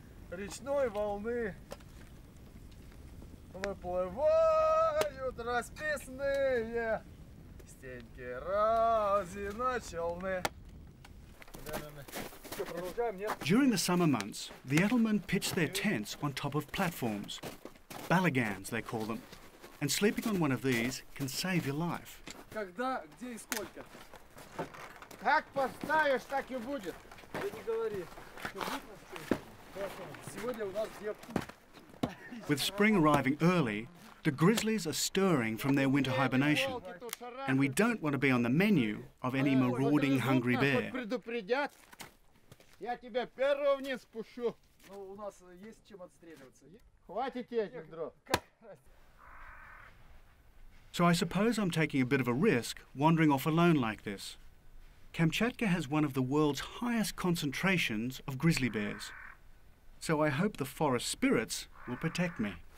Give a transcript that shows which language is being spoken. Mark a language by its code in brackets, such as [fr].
[ru] Речной волны выплывают расписные стенки разиночелны. [en] During the summer months, the Itelman pitch their tents on top of platforms, balagans they call them, and sleeping on one of these can save your life. [ru] Когда, где и сколько? Как поставишь, так и будет. Ты не говори. [en] With spring arriving early, the grizzlies are stirring from their winter hibernation, and we don't want to be on the menu of any marauding hungry bear. [ru] Я тебя первого вниз спущу. Ну, у нас есть чем отстреливаться. Хватит этих дров. [en] So I suppose I'm taking a bit of a risk wandering off alone like this. Kamchatka has one of the world's highest concentrations of grizzly bears. So I hope the forest spirits will protect me.